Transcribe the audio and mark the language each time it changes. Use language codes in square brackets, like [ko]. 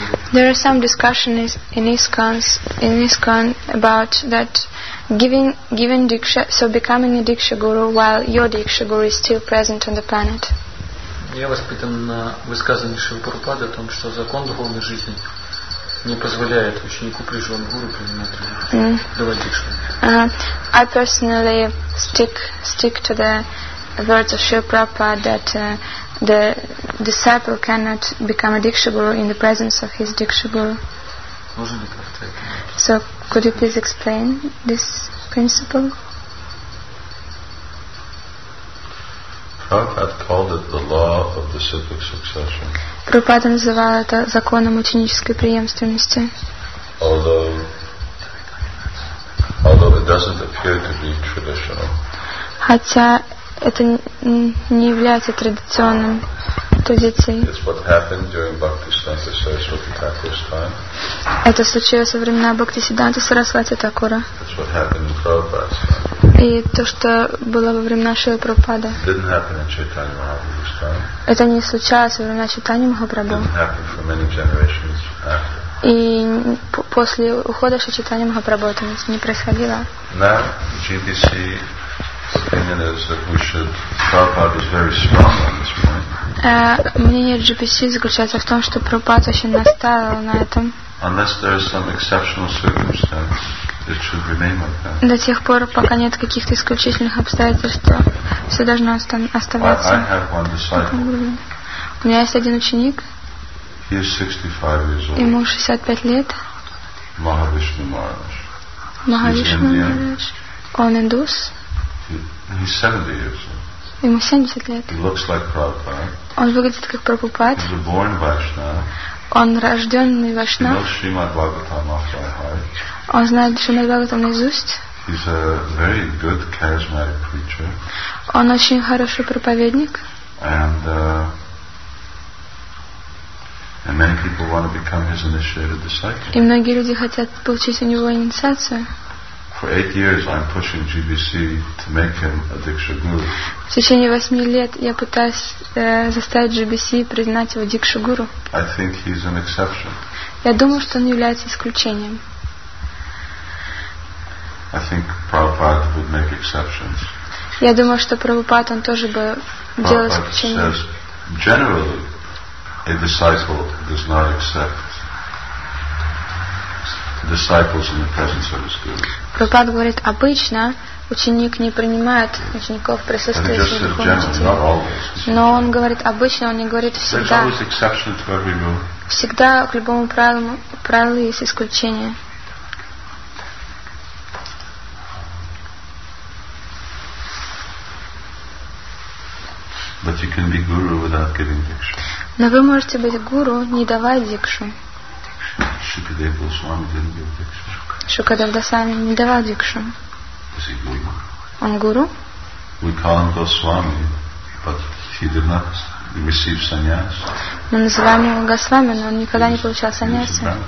[en] There are some discussions in ISKCON about that giving diksha, so becoming a diksha guru while your diksha guru is still present on the planet. [ru] Я воспитан на высказывании Шрилы Прабхупады о том, что закон духовной жизни не позволяет ученику при живом гуру принимать давать дикшу. [en] I personally stick to the words of Шрилы Прабхупады that the disciple cannot become a Diksha Guru in the presence of his Diksha Guru. So, could you please explain this principle? Prabhupada called it the law of the Siddhic succession. [ru] Prabhupada называл это законом ученической преемственности. [en] Although it doesn't appear to be traditional. [ru] Хотя это не является традиционным экспозиции. [en] It's what happened during Bhakti Siddhanta Saraswati Thakur's time. [ru] Это случилось во времена Бхакти Сиддханты Сарасвати Такура. [en] It's what happened in Prabhupada's time. [ru] И то, что было во времена Шрилы Прабхупады. [en] Didn't happen in Chaitanya Mahaprabhu's time. [ru] Это не случалось во времена Чайтаньи Махапрабху. [en] It didn't happen for many generations after. [ru] И после ухода Шри Чайтаньи Махапрабху это не происходило. [en] Now, GBC opinion is that we should. Prabhupada is very strong on this point. [ru] Мнение GBC заключается в том, что Прабхупад очень настаивал на этом. [en] Unless there is some exceptional circumstance, it should remain like that. [ru] До тех пор, пока нет каких-то исключительных обстоятельств, все должно оставаться. [en] I have one disciple. [ru] У меня есть один ученик. [en] He is 65 years old. [ru] Ему 65 лет. [en] Mahavishnu Maharaj. [ru] Mahavishnu Maharaj. Он индус. [en] He's 70 years old. [ru] Ему 70 лет. [en] He looks like Prabhupada. [ru] Он выглядит как Прабхупад. [en] He's a born Vaishnava. [ru] Он рожденный Вашнав. [en] He knows Srimad Bhagavatam off by heart. [ru] Он знает Шримад Бхагаватам наизусть. [en] He's a very good charismatic preacher. [ru] Он очень хороший проповедник. [en] And many people want to become his initiated disciple. [ru] И многие люди хотят получить у него инициацию. [en] For 8 years I'm pushing GBC to make him a Diksha Guru. [ru] В течение 8 лет я пытаюсь заставить GBC признать его Дикшу Гуру. [en] I think he's an exception. [ru] Я думаю, что он является исключением. [en] I think Prabhupada would make exceptions. [ru] Я думаю, что Прабхупад он тоже бы делал исключение. [en] Says, generally, a disciple does not accept disciples in the presence of his guru. [ru] Прабхупад говорит, обычно ученик не принимает учеников в присутствии своих учителей. Но он говорит, обычно он не говорит всегда. [en] There's always exception to every rule. [ru] Всегда к любому правилу есть исключение. [en] But you can be guru without giving diksha. [ru] Но вы можете быть гуру, не давая дикшу. [en] Шукадев Госвами didn't give diksha. [ru] Шукадев Госвами не давал дикшу. [en] Is he guru? [ru] Он гуру? [en] We call him Госвами, but he did not receive sannyas. [ru] Мы называем его Госвами, но он никогда не получал саньяси.